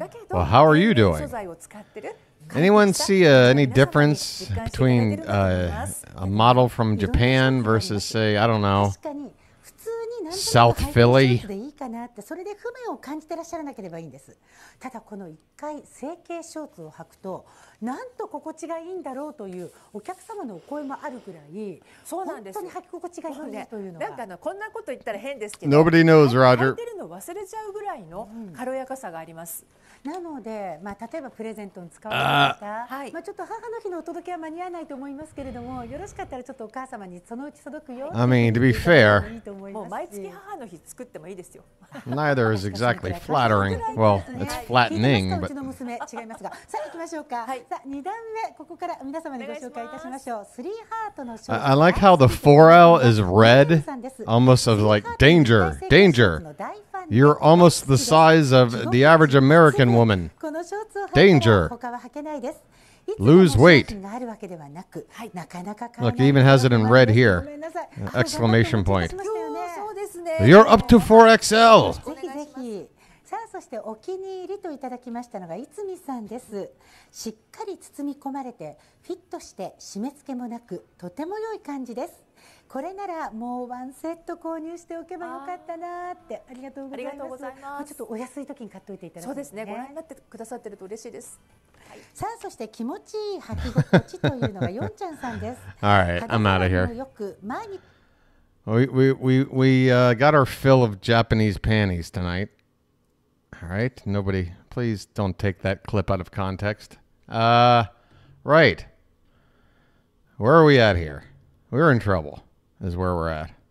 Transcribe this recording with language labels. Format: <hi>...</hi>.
<en>Well, how are you doing? Anyone see any difference between a model from Japan versus, say, I don't know, South Philly.</en> <ja>それで不便を感じてらっしゃらなければいいんです。ただこの一回整形ショーツを履くと、なんと心地がいいんだろうというお客様のお声もあるくらい、そうなんです本当に履き心地がいいですというのが。なんかこんなこと言ったら変ですけど、</ja> <en>Nobody knows, Roger.</en> <ja>履いてるの忘れちゃうぐらいの軽やかさがあります。なので、まあ、例えばプレゼントに使われました、はい、まあ、ちょっと母の日のお届けは間に合わないと思いますけれども、よろしかったらちょっとお母様にそのうち届くよ。</ja> <en>I mean, to be fair,</en> <ja>もう毎月母の日作ってもいいですよ。</ja> <en>Neither is exactly flattering. Well, it's flattening, but.</en> <ja>聞いてますか、うちの娘。違いますが。さあ、行きましょうか。はい、さあ、2段目、ここから皆様にご紹介いたしましょう。スリーハートの商品。</ja> <en>I like how the 4L is red, almost of like danger, danger. You're almost the size of the average American woman. Danger. Lose weight. Look, he even has it in red here. Exclamation point. You're up to 4XL.</en> <ja>さあ、そしてお気に入りといただきましたのがいつみさんです。しっかり包み込まれてフィットして締め付けもなくとても良い感じです。これならもうワンセット購入しておけばよかったなって ありがとうございます。まあ、ちょっとお安い時に買っておいていただきますね。そうですね。ご覧になってくださってると嬉しいです。さあ、そして気持ちいい履き心地というのがヨンちゃんさんです。</ja> <en>All right, I'm out of here.</en> <ja>よく前に。</ja> <en>We got our fill of Japanese panties tonight. All right, nobody, please don't take that clip out of context. Right. Where are we at here? We're in trouble, is where we're at.</en>